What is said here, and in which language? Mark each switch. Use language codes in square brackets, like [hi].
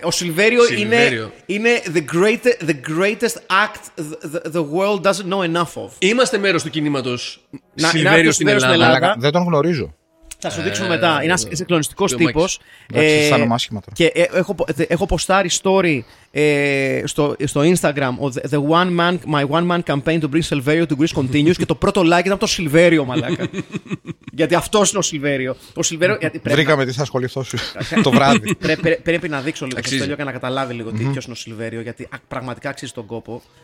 [el] Ο Σιλβέριο είναι [en] the greatest act the world doesn't know enough of. [el] Είμαστε μέρος του κινήματος Σιλβέριο στην Ελλάδα. Δεν τον γνωρίζω. Θα σου δείξω μετά. Είναι ένας συγκλονιστικός τύπος. Αισθάνομαι άσχημα τώρα. Και έχω ποστάρει story στο Instagram. [en] The one man, my one man campaign to bring Silverio to Greece continues. [el] Και το πρώτο like ήταν από το Silverio, μαλάκα. Γιατί αυτός είναι ο Silverio. Ο Silverio βρήκαμε τι θα ασχοληθώ το βράδυ. Πρέπει να δείξω λίγο το τέλειο και να καταλάβει λίγο ποιος είναι ο Silverio. Γιατί πραγματικά αξίζει τον κόπο.